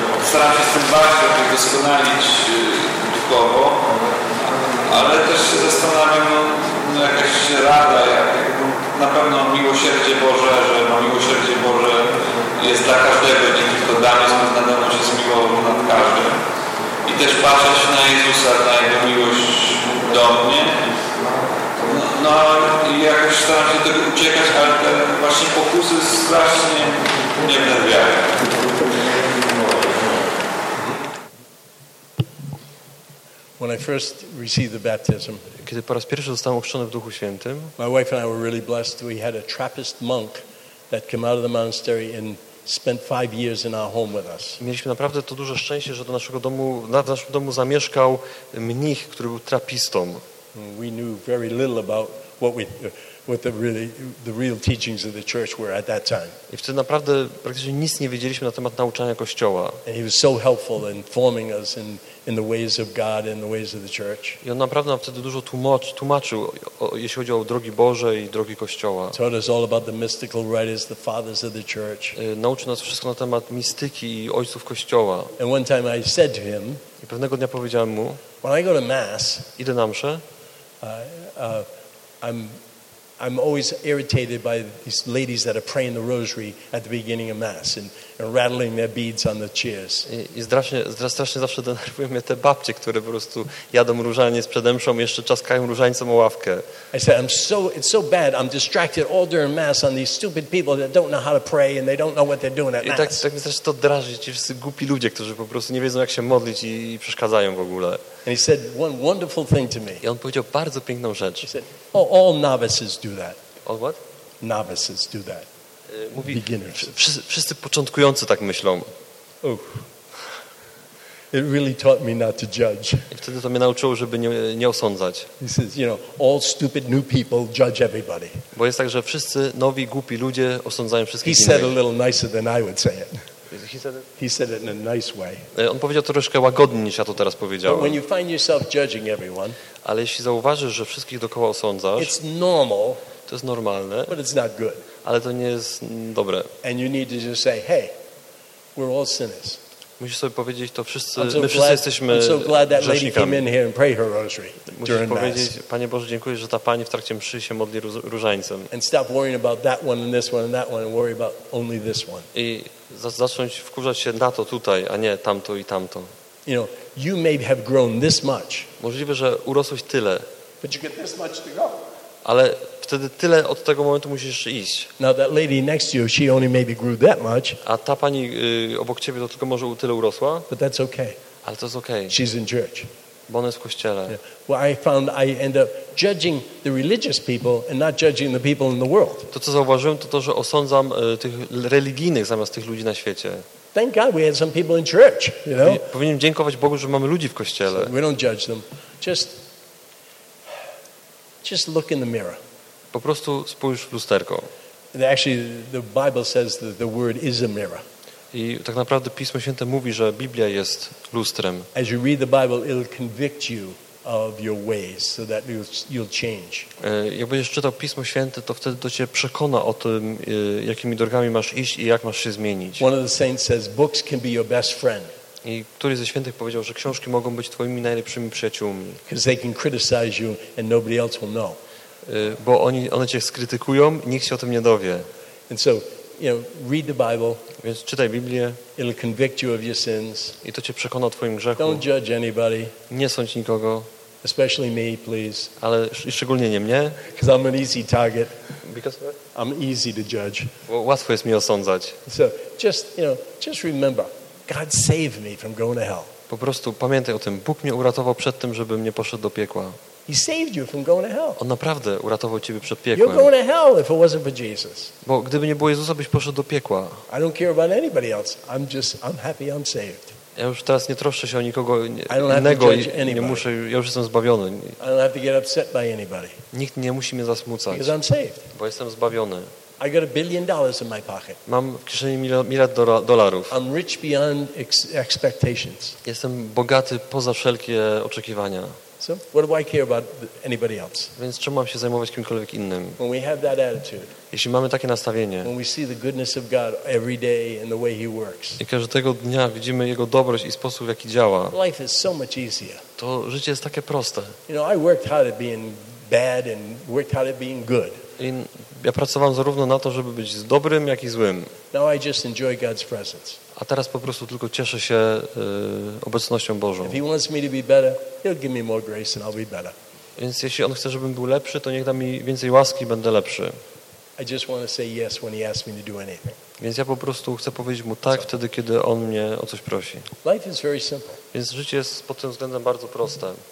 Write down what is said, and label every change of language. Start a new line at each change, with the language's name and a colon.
Polish: Staram się z tym walczyć, żeby doskonalić duchowo, ale też się zastanawiam, no jakaś rada, na pewno miłosierdzie Boże, że no, miłosierdzie Boże jest dla każdego, nie tylko dla mnie, znowu się zmiłował nad każdym. I też patrzeć na Jezusa, na Jego miłość do mnie. No i jakoś staram się tego uciekać, ale te właśnie pokusy strasznie mnie wnerwiają.
English: When I first received the baptism,
Polish: kiedy po raz pierwszy zostałem ochrzczony w Duchu Świętym,
English: my wife and I were really blessed. We had a Trappist monk that came out of the monastery and spent 5 years in our home with us.
Polish: Mieliśmy naprawdę to duże szczęście, że do naszego domu, na naszym domu zamieszkał mnich, który był trapistą.
English: We knew very little about what the real teachings of the church were at that time.
Polish: I wtedy naprawdę praktycznie nic nie wiedzieliśmy na temat nauczania Kościoła.
English: And he was so helpful in forming us in the ways of God and the ways of the church.
Polish: I on naprawdę nam wtedy dużo tłumaczył, jeśli chodzi o drogi Boże i drogi Kościoła.
English: Taught us all about the mystical writers, the fathers of the church.
Polish: Nauczył nas wszystko na temat mistyki i ojców Kościoła.
English: And one time I said to him,
Polish: i pewnego dnia powiedziałem mu,
English: when I go to mass,
Polish: idę na mszę,
English: I'm always irritated by these ladies that are praying the rosary at the beginning of mass and rattling their beads on the chairs.
Polish: I strasznie zawsze denerwują mnie te babcie, które po prostu jadą różaniec przed mszą i jeszcze czaskają różańcem o ławkę.
English: I said, it's so bad. I'm distracted all during mass on these stupid people that don't know how to pray and they don't know what they're doing at mass.
Polish: I tak mnie zaczęło to drażyć, ci wszyscy głupi ludzie, którzy po prostu nie wiedzą, jak się modlić i przeszkadzają w ogóle.
English: And he said one wonderful thing to me.
Polish: I on powiedział bardzo piękną rzecz.
English: He said, all novices do that. All what? Novices do that.
Polish: Mówi,
English: beginners.
Polish: Wszyscy początkujący tak myślą. Oh.
English: It really taught me not to judge.
Polish: I wtedy to mnie nauczyło, żeby nie osądzać.
English: He says, you know, all stupid new people judge everybody.
Polish: Bo jest tak, że wszyscy nowi głupi ludzie osądzają wszystkich innych.
English: He said a little nicer than I would say it. He said it in a nice way.
Polish: On powiedział to troszkę łagodniej niż ja to teraz powiedziałem.
English: When you find yourself judging everyone,
Polish: ale jeśli zauważysz, że wszystkich dookoła osądzasz,
English: it's normal,
Polish: to jest normalne,
English: but it's not good.
Polish: Ale to nie jest dobre.
English: And you need to just say, hey, we're all sinners.
Polish: Musisz sobie powiedzieć to wszyscy, my wszyscy jesteśmy grzesznikami. Musisz powiedzieć, Panie Boże, dziękuję, że ta Pani w trakcie mszy się modli różańcem.
English: And stop worrying about that one and this one and that one and worry about only this one.
Polish: I zacząć wkurzać się na to tutaj, a nie tamto i tamto.
English: You know, you may have grown this much.
Polish: Możliwe, że urosłeś tyle.
English: But you get this much to go.
Polish: Ale wtedy tyle od tego momentu musisz iść.
English: Now that lady next to you, she only maybe grew that much.
Polish: A ta pani obok ciebie to tylko może tyle urosła.
English: But that's okay.
Polish: Ale to jest okay.
English: She's in church.
Polish: Bo ona jest w kościele.
English: Yeah. Well, I found I end up judging the religious people and not judging the people in the world.
Polish: To co zauważyłem, to, że osądzam tych religijnych zamiast tych ludzi na świecie.
English: Thank God we had some people in church, you know?
Polish: Powinien dziękować Bogu, że mamy ludzi w kościele.
English: So we don't judge them. Just look in the mirror.
Polish: Po prostu spójrz w lusterko.
English: Actually, the Bible says that the word is a mirror.
Polish: I tak naprawdę Pismo Święte mówi, że Biblia jest lustrem.
English: As you read the Bible, it'll convict you of your ways, so that you'll change.
Polish: Jak będziesz czytał Pismo Święte, to wtedy to cię przekona o tym, jakimi drogami masz iść i jak masz się zmienić.
English: One of the saints says, books can be your best friend.
Polish: I któryś ze świętych powiedział, że książki mogą być twoimi najlepszymi przyjaciółmi.
English: Because they can criticize you and nobody else will know.
Polish: Bo one cię skrytykują, nikt się o tym nie dowie.
English: And so, you know, read the Bible.
Polish: Więc czytaj Biblię.
English: It'll convict you of your sins.
Polish: I to cię przekona o twoim grzechu.
English: Don't judge anybody.
Polish: Nie sądź nikogo.
English: Especially me, please.
Polish: Ale szczególnie nie mnie.
English: Because I'm an easy target. Because I'm easy to judge.
Polish: Bo łatwo jest mi osądzać.
English: So just, you know, just remember, God saved me from going to hell.
Polish: Po prostu pamiętaj o tym. Bóg mnie uratował przed tym, żebym nie poszedł do piekła.
English: He saved you from going to hell.
Polish: On naprawdę uratował ciebie przed piekłem.
English: You're going to hell if it wasn't for Jesus.
Polish: Bo gdyby nie było Jezusa, byś poszedł do piekła.
English: I don't care about anybody else. I'm happy I'm saved.
Polish: Ja już teraz nie troszczę się o nikogo innego. Nie muszę, ja już jestem zbawiony.
English: I don't have to get upset by anybody.
Polish: Nikt nie musi mnie zasmucać.
English: Because I'm saved.
Polish: Bo jestem zbawiony.
English: I got $1 billion in my pocket.
Polish: Mam w kieszeni miliard dolarów.
English: I'm rich beyond expectations.
Polish: Jestem bogaty poza wszelkie oczekiwania.
English: So, what do I care about anybody else?
Polish: Więc czemu mam się zajmować kimkolwiek innym?
English: When we have that attitude.
Polish: Jeśli mamy takie nastawienie.
English: When we see the goodness of God every day and the way He works.
Polish: I każdego dnia widzimy Jego dobroć i sposób, w jaki działa.
English: Life is so much easier.
Polish: To życie jest takie proste.
English: You know, I worked hard at being bad and worked hard at being good.
Polish: I ja pracowałem zarówno na to, żeby być dobrym, jak i złym.
English: Now I just enjoy God's presence.
Polish: A teraz po prostu tylko cieszę się obecnością Bożą.
English: If He wants me to be better, He'll give me more grace and I'll be better.
Polish: Więc jeśli On chce, żebym był lepszy, to niech da mi więcej łaski i będę lepszy.
English: I just want to say yes when He asks me to do anything.
Polish: Więc ja po prostu chcę powiedzieć Mu tak wtedy, kiedy On mnie o coś prosi.
English: Life is very simple.
Polish: Więc życie jest pod tym względem bardzo proste.